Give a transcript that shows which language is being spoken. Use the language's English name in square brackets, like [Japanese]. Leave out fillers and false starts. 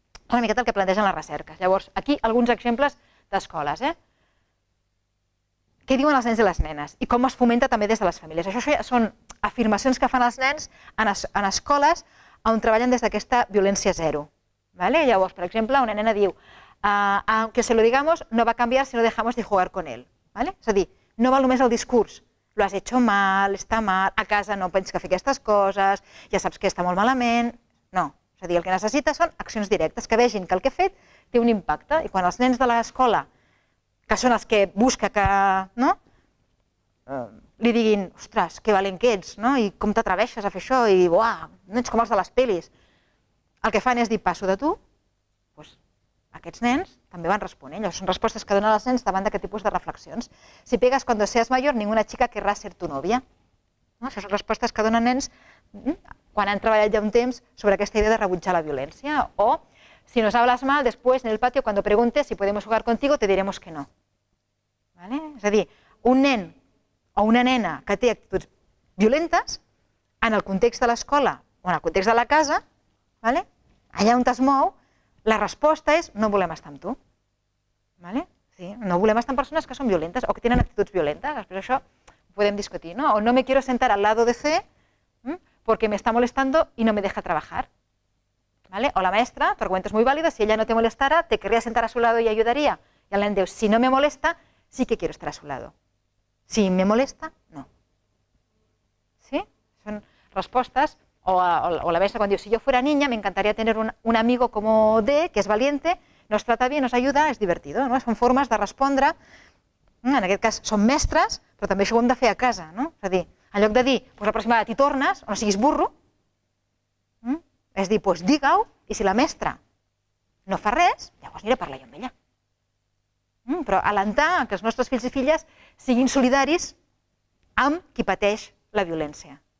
[Catalan] Una miqueta el que plantegen les recerques. Llavors, aquí alguns exemples d'escoles. Eh? Què diuen els nens i les nenes? I com es fomenta també des de les famílies? Això ja són afirmacions que fan els nens en escoles on treballen des d'aquesta violència zero. Vale? Llavors, per exemple, una nena diu... [Spanish] aunque se lo digamos, no va a cambiar si no dejamos de jugar con él. ¿Vale? [Catalan] És a dir, no val només el discurs. [Spanish] Lo has hecho mal, está mal, [Catalan] a casa no penses que fer aquestes coses, ja saps que està molt malament... No. És a dir, el que necessita són accions directes, que vegin que el que ha fet té un impacte. I quan els nens de l'escola, que són els que busca que... No? Li diguin, ostres, que valent que ets, no? I com t'atreveixes a fer això, i buah, no ets com els de les pel·lis. El que fan és dir, passo de tu, doncs... Aquests nens també van responent. Llavors, són respostes que donen els nens davant d'aquest tipus de reflexions. [Spanish] Si pegues cuando seas mayor, ninguna chica querrá ser tu novia. [Catalan] No? Això són respostes que donen nens quan han treballat ja un temps sobre aquesta idea de rebutjar la violència. [Spanish] O, si nos hablas mal, después en el patio, cuando preguntes si podemos jugar contigo, te diremos que no. [Catalan] Vale? És a dir, un nen o una nena que té actituds violentes, en el context de l'escola o en el context de la casa, vale? Allà on es mou, la resposta és, no volem estar amb tu. Vale? Sí, no volem estar amb persones que són violentes o que tenen actituds violentes. Després això ho podem discutir. [Spanish] No? O no me quiero sentar al lado de C porque me está molestando y no me deja trabajar. Vale? O la maestra, tu argumento es muy válido, si ella no te molestara, te querría sentar a su lado y ayudaría. [Catalan] I el nen diu, [Spanish] si no me molesta, sí que quiero estar a su lado. Si me molesta, no. Sí? [Catalan] Són respostes... [Spanish] O la mesa cuando digo, si yo fuera niña, me encantaría tener un amigo como D, que es valiente, nos trata bien, nos ayuda, es divertido. ¿No? Son formas de [Catalan] respondre. En aquest cas, són mestres, però també això ho hem de fer a casa. ¿No? És a dir, en lloc de dir, pues [Spanish] la próxima [Catalan] t'hi tornes, o no siguis burro, és dir, pues digue-ho, i si la mestra no fa res, llavors aniré a parlar jo amb ella. Però alentar que els nostres fills i filles siguin solidaris amb qui pateix la violència.